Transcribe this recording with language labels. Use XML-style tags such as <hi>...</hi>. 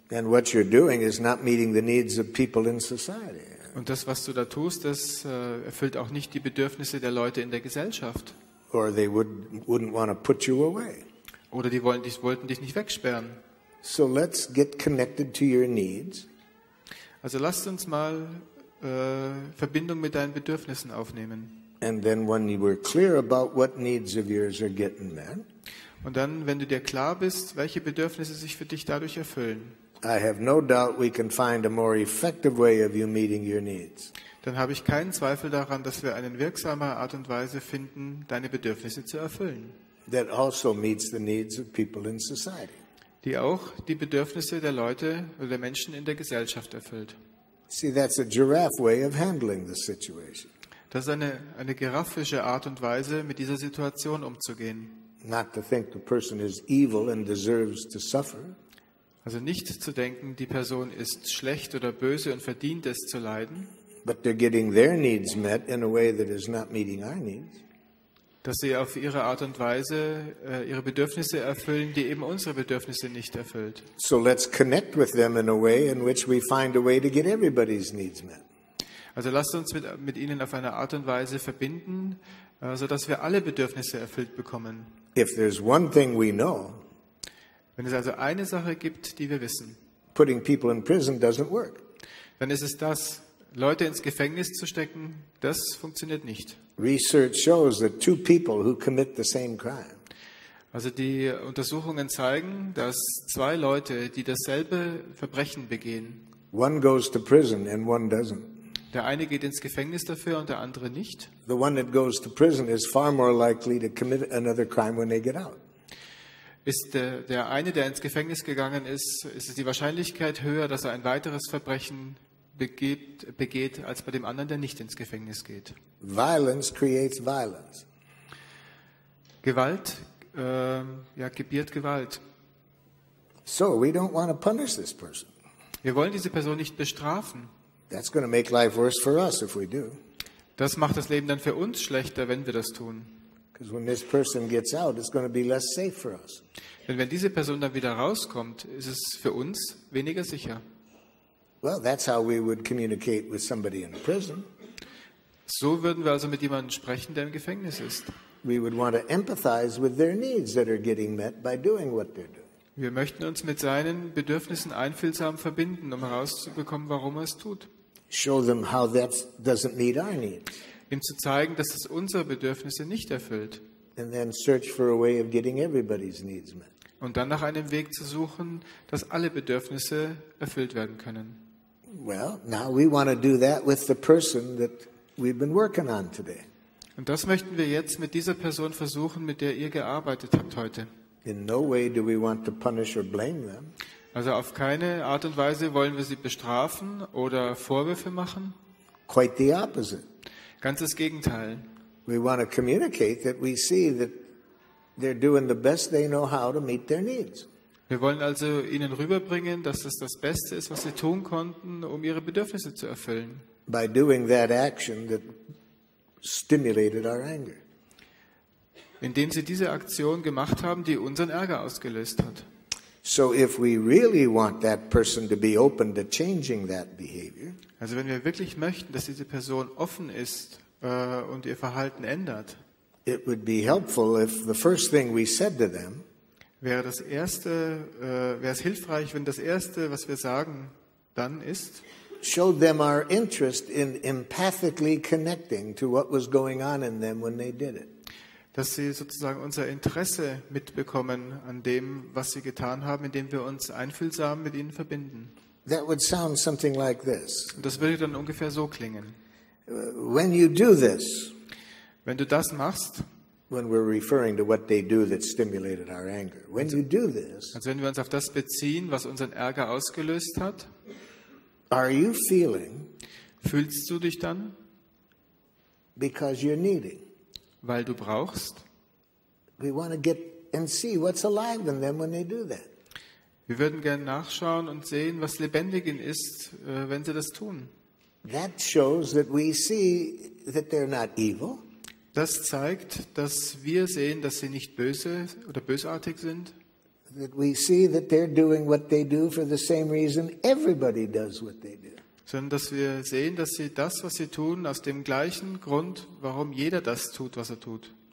<en>And what you're doing is not meeting the needs of people in society.</en> <de>Und das, was du da tust, das erfüllt auch nicht die Bedürfnisse der Leute in der Gesellschaft.</de> <en>Or they wouldn't want to put you away.</en> <de>Oder die wollten dich nicht wegsperren.</de> <en>So let's get connected to your needs.</en> <de>Also lasst uns mal Verbindung mit deinen Bedürfnissen aufnehmen.</de> <en>And then when you were clear about what needs of yours are getting met.</en> <de>Und dann, wenn du dir klar bist, welche Bedürfnisse sich für dich dadurch erfüllen.</de> <en>I have no doubt we can find a more effective way of you meeting your needs.</en> <de>Dann habe ich keinen Zweifel daran, dass wir eine wirksamere Art und Weise finden, deine Bedürfnisse zu erfüllen.</de> <en>That also meets the needs of people in society.</en> <de>Die auch die Bedürfnisse der Leute oder der Menschen in der Gesellschaft erfüllt.</de> <en>See, that's a giraffe way of handling the situation.</en> <de>Das ist eine giraffische Art und Weise, mit dieser Situation umzugehen.</de> <en>Not to think the person is evil and deserves to suffer.</en> <de>Also nicht zu denken, die Person ist schlecht oder böse und verdient es zu leiden.</de> <en>But they're getting their needs met in a way that is not meeting our needs.</en> <de>Dass sie auf ihre Art und Weise ihre Bedürfnisse erfüllen, die eben unsere Bedürfnisse nicht erfüllt.</de> <en>So let's connect with them in a way in which we find a way to get everybody's needs met.</en> <de>Also lasst uns mit ihnen auf eine Art und Weise verbinden, sodass wir alle Bedürfnisse erfüllt bekommen.</de> <en>If there's one thing we know,</en> <de>Wenn es also eine Sache gibt, die wir wissen,</de> <en>putting people in prison doesn't work.</en> <de>Dann ist es das, Leute ins Gefängnis zu stecken, das funktioniert nicht.</de> <en>Research shows that two people who commit the same crime.</en> <de>Also die Untersuchungen zeigen, dass zwei Leute, die dasselbe Verbrechen begehen,</de> <en>one goes to prison and one doesn't.</en> <de>Der eine geht ins Gefängnis dafür und der andere nicht.</de> <en>The one that goes to prison is far more likely to commit another crime when they get out.</en> <de>Ist der eine, der ins Gefängnis gegangen ist, ist es die Wahrscheinlichkeit höher, dass er ein weiteres Verbrechen begeht, als bei dem anderen, der nicht ins Gefängnis geht.</de> <en>Violence creates violence.</en> <de>Gewalt gebiert Gewalt.</de> <en>So we don't want to punish this person.</en> <de>Wir wollen diese Person nicht bestrafen.</de> <en>That's going to make life worse for us if we do.</en> <de>Das macht das Leben dann für uns schlechter, wenn wir das tun.</de> <en>Because when this person gets out, it's going to be less safe for us.</en> <de>Denn wenn diese Person dann wieder rauskommt, ist es für uns weniger sicher.</de> <en>Well, that's how we would communicate with somebody in prison.</en> <de>So würden wir also mit jemandem sprechen, der im Gefängnis ist.</de> <en>We would want to empathize with their needs that are getting met by doing what they're doing.</en> <de>Wir möchten uns mit seinen Bedürfnissen einfühlsam verbinden, um herauszubekommen, warum er es tut.</de> <en>Show them how that doesn't meet our needs.</en> <de>Ihm zu zeigen, dass es unsere Bedürfnisse nicht erfüllt.</de> <en>And then search for a way of getting everybody's needs met.</en> <de>Und dann nach einem Weg zu suchen, dass alle Bedürfnisse erfüllt werden können.</de> <en>Well, now we want to do that with the person that we've been working on today.</en> <de>Und das möchten wir jetzt mit dieser Person versuchen, mit der ihr gearbeitet habt heute.</de> <en>In no way do we want to punish or blame them.</en> <de>Also auf keine Art und Weise wollen wir sie bestrafen oder Vorwürfe machen.</de> <en>Quite the opposite.</en> <de>Ganz das Gegenteil.</de> <en>We want to communicate that we see that they're doing the best they know how to meet their needs.</en> <de>Wir wollen also ihnen rüberbringen, dass es das Beste ist, was sie tun konnten, um ihre Bedürfnisse zu erfüllen.</de> <en>By doing that action that stimulated our anger.</en> <de>Indem sie diese Aktion gemacht haben, die unseren Ärger ausgelöst hat.</de> <en>So if we really want that person to be open to changing that behavior.</en> <de>Also wenn wir wirklich möchten, dass diese Person offen ist und ihr Verhalten ändert.</de> <en>It would be helpful if the first thing we said to them.</en> <de>Wäre es hilfreich, wenn das erste, was wir sagen, dann ist.</de> <en>Showed them our interest in empathically connecting to what was going on in them when they did it.</en> <de>Dass sie sozusagen unser Interesse mitbekommen an dem, was sie getan haben, indem wir uns einfühlsam mit ihnen verbinden.</de> <en>That would sound something like this.</en> <de>Das würde dann ungefähr so klingen.</de> <en>When you do this,</en> <de>wenn du das machst,</de> <en>when we're referring to what they do that stimulated our anger, when you do this,</en> <de>also wenn wir uns auf das beziehen, was unseren Ärger ausgelöst hat,</de> <en>are you feeling,</en> <de>fühlst du dich dann,</de> <en>because you're needing,</en> <de>weil du brauchst?</de> <en>We want to get and see what's alive in them when they do that.</en> <de>Wir würden gerne nachschauen und sehen, was lebendig in ist, wenn sie das tun.</de> <en>That shows that we see that they're not evil.</en> <de>Das zeigt, dass wir sehen, dass sie nicht böse oder bösartig sind.</de> <en>That we see that they're doing what they do for the same reason everybody does what they do.</en> <de>Sondern dass wir sehen, dass sie das, was sie tun, aus dem gleichen Grund, warum jeder das tut, was er tut.</de>